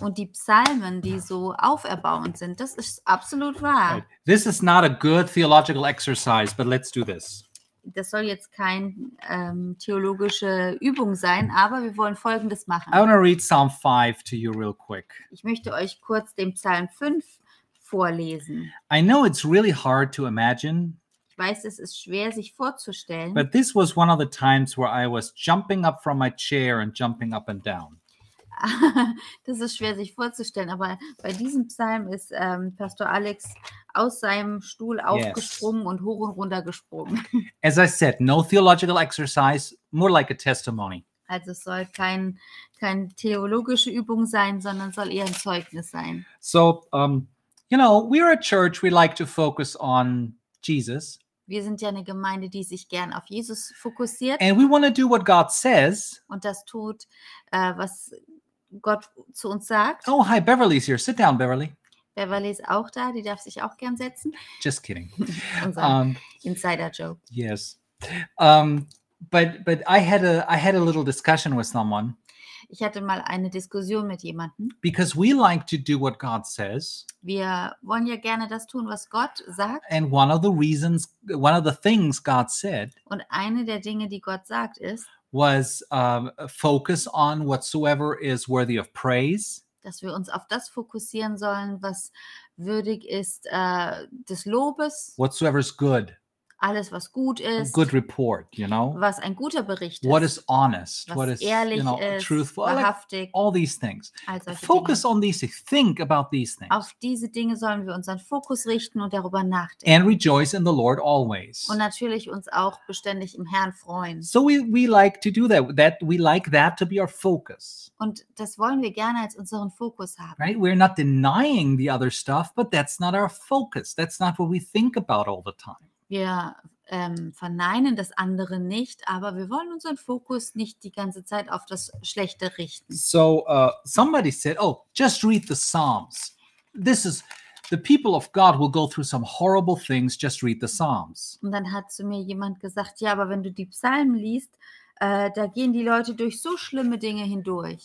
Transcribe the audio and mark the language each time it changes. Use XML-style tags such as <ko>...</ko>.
<de>Und die Psalmen, die so auferbauend sind, das ist absolut wahr.</de> <en>Right. This is not a good theological exercise, but let's do this.</en> <de>Das soll jetzt keine theologische Übung sein, aber wir wollen Folgendes machen.</de> <en>I want to read Psalm 5 to you real quick.</en> <de>Ich möchte euch kurz den Psalm 5 vorlesen.</de> <en>I know it's really hard to imagine.</en> <de>Ich weiß, es ist schwer, sich vorzustellen.</de> <en>But this was one of the times where I was jumping up from my chair and jumping up and down.</en> <de>Das ist schwer, sich vorzustellen, aber bei diesem Psalm ist Pastor Alex aus seinem Stuhl aufgesprungen, yes, und hoch und runter gesprungen.</de> <en>As I said, no theological exercise, more like a testimony.</en> <de>Also es soll keine theologische Übung sein, sondern soll eher ein Zeugnis sein.</de> <en>So, you know, we are a church, we like to focus on Jesus.</en> <de>Wir sind ja eine Gemeinde, die sich gern auf Jesus fokussiert.</de> <en>And we want to do what God says.</en> <de>Und das tut, was Gott zu uns sagt.</de> <en>Oh, hi, Beverly's here. Sit down, Beverly.</en> <de>Beverly ist auch da, die darf sich auch gern setzen.</de> <en>Just kidding.</en> <de>Insider-Joke.</de> <en>Yes. But I had a little discussion with someone.</en> <de>Ich hatte mal eine Diskussion mit jemandem.</de> <en>Because we like to do what God says.</en> <de>Wir wollen ja gerne das tun, was Gott sagt.</de> <en>And one of the things God said.</en> <de>Und eine der Dinge, die Gott sagt, ist.</de> <en>Was focus on whatsoever is worthy of praise.</en> <de>Dass wir uns auf das fokussieren sollen, was würdig ist des Lobes.</de> <en>Whatsoever is good.</en> <de>Alles, was gut ist.</de> <en>A good report, you know.</en> <de>Was ein guter Bericht ist.</de> <en>What is honest.</en> <de>Was</de> <en>what is,</en> <de>ehrlich,</de> <en>you know,</en> <de>ist,</de> <en>truthful.</en> <de>Wahrhaftig.</de> <en>Like all these things.</en> <de>All solche</de> <en>focus</en> <de>Dinge.</de> <en>On these things. Think about these things.</en> <de>Auf diese Dinge sollen wir unseren Fokus richten und darüber nachdenken.</de> <en>And rejoice in the Lord always.</en> <de>Und natürlich uns auch beständig im Herrn freuen.</de> <en>So we like to do that. That we like that to be our focus.</en> <de>Und das wollen wir gerne als unseren Fokus haben.</de> <en>Right? We're not denying the other stuff, but that's not our focus. That's not what we think about all the time.</en> <de>Wir verneinen das andere nicht, aber wir wollen unseren Fokus nicht die ganze Zeit auf das Schlechte richten.</de> <en>So, somebody said, oh, just read the Psalms. This is, the people of God will go through some horrible things, just read the Psalms.</en> <de>Und dann hat zu mir jemand gesagt, ja, aber wenn du die Psalmen liest, da gehen die Leute durch so schlimme Dinge hindurch.</de>